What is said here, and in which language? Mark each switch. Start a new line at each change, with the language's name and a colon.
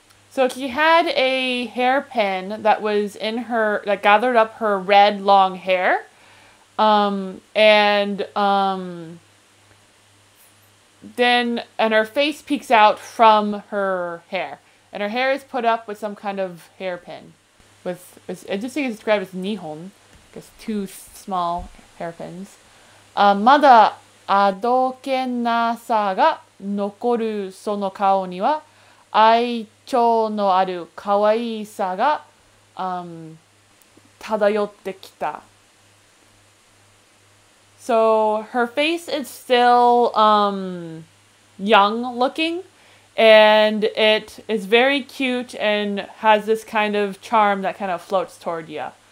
English: So she had a hairpin that was in her that gathered up her red long hair, and her face peeks out from her hair, and her hair is put up with some kind of hairpin, with it's interesting to describe as nihon, because two small hairpins, mada.
Japanese: あどけなさが残るその顔には愛嬌のある可愛さが、漂ってきた。
English: So her face is still young looking and it is very cute and has this kind of charm that kind of floats toward you.